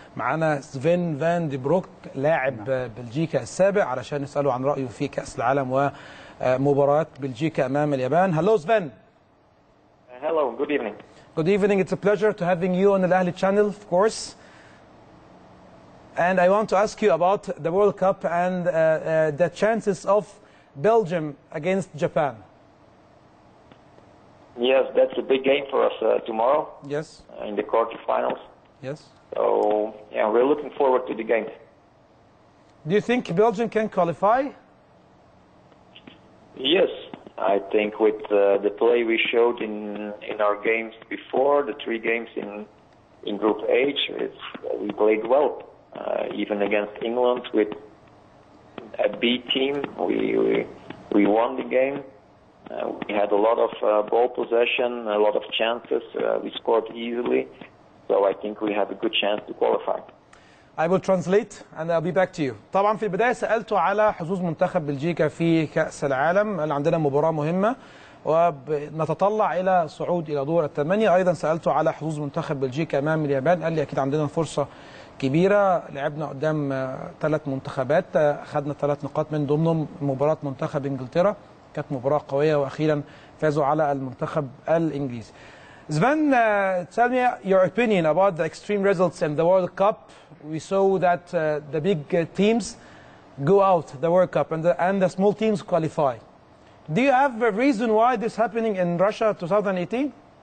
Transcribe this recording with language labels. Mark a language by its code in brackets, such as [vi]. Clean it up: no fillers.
[ar] معنا سفين فاندبنيروك لاعب. نعم. بلجيكا السابع، علشان نساله عن رايه في كاس العالم ومباراه بلجيكا امام اليابان. هلو سفين. [en] هلو، جود ايفنينج. جود ايفنينج، اتس ا بليجر تو هافينج يو اون الاهلي شانل اوف كورس. And I want to ask you about the World Cup and the chances of Belgium against Japan. Yes, that's a big game for us tomorrow. Yes. In the quarterfinals. Yes. So, yeah, we're looking forward to the game. Do you think Belgium can qualify? Yes. I think with the play we showed in our games before, the three games in Group H, we played well. Even against England with a B team, we won the game. We had a lot of ball possession, a lot of chances. We scored easily. So I think we have a good chance to qualify. I will translate and I'll be back to you. [ar] طبعا في البداية سألته على حظوظ منتخب بلجيكا في كأس العالم. قال عندنا مباراة مهمة ونتطلع إلى صعود إلى دور الثمانية. أيضا سألته على حظوظ منتخب بلجيكا أمام اليابان. قال لي أكيد عندنا فرصة كبيرة، لعبنا قدام ثلاث منتخبات خدنا ثلاث نقاط من ضمنهم مباراة منتخب انجلترا، كانت مباراة قوية واخيرا فازوا على المنتخب الانجليزي. [en] زبان، tell me your opinion about the extreme results in the World Cup. We saw that the big teams go out the World Cup and the small teams qualify. Do you have a reason why this happening in Russia 2018?